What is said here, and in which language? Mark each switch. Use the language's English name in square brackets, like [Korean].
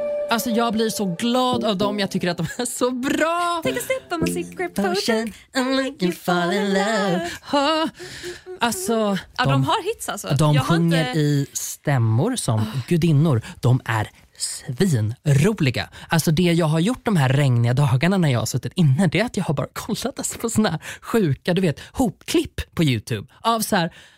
[Swedish] Alltså jag blir så glad av dem. Jag tycker att de är så bra. [English] Take a sip of my secret potion and make you fall in love. [Swedish] Alltså de har hits alltså. De sjunger i stämmor som gudinnor. De är svinroliga. Alltså det jag har gjort de här regniga dagarna när jag har suttit inne, det är att jag har bara kollat alltså på såna här sjuka, du vet, hopklipp på YouTube av så här